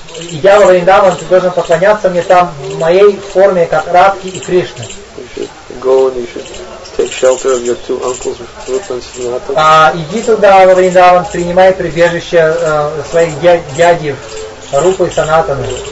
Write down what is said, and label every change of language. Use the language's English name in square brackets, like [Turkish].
[Russian] Идя во Вриндаван, ты должен поклоняться мне там в моей форме как Радхи и Кришны. [English] You should go and you should take shelter of your two uncles, Rupa and Sanatan. [Russian] Иди туда во Вриндаван, принимай прибежище своих дяди. Рупы и Санатаны.